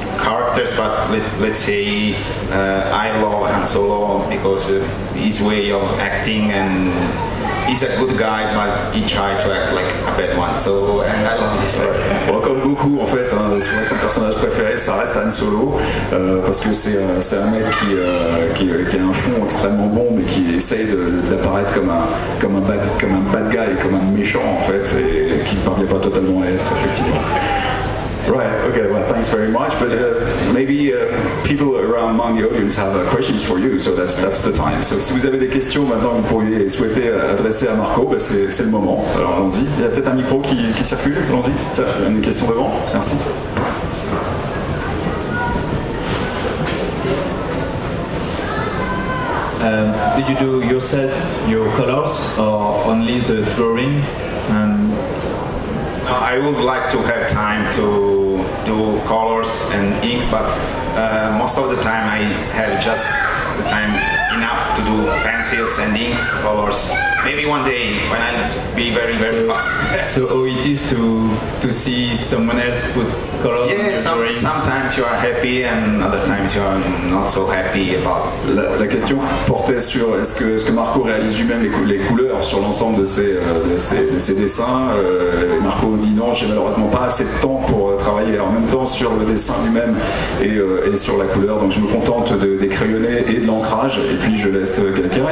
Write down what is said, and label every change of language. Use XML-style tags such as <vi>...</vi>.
<en>characters, but let's say I love Han Solo because of his way of acting, and he's a good guy, but he tried to act like a bad one, so and I love this part. Well,</en> <fr>comme beaucoup, en fait, hein, son personnage préféré, ça reste Han Solo, parce que c'est un mec qui a un fond extrêmement bon, mais qui essaye d'apparaître comme un</fr> <en>bad guy,</en> <fr>comme un méchant, en fait, et qui ne parvient pas totalement à être, effectivement.</fr> <en>Right, okay, well, thanks very much, but maybe people around among the audience have questions for you, so that's the time. So,</en> <fr>si vous avez des questions maintenant, vous pourriez souhaiter adresser à Marco, ben c'est le moment. Alors, allons-y. Il y a peut-être un micro qui circule, allons-y. Tiens, une question devant, merci.</fr> <en>Did you do yourself your colors, or only the drawing? I would like to have time to do colors and ink, but most of the time I have just the time enough to do pencils and inks, colors. Maybe one day when I'll be very, very fast. So how it is to see someone else put colors on your drawing? Sometimes you are happy and other times you are not so happy about.</en> <fr>La question portait sur est-ce que Marco réalise lui-même les couleurs sur l'ensemble de ses dessins. Marco dit non, j'ai malheureusement pas assez de temps pour travailler en même temps sur le dessin lui-même et sur la couleur. Donc je me contente des crayonnés et de l'ancrage. Et puis je laisse quelqu'un.</fr>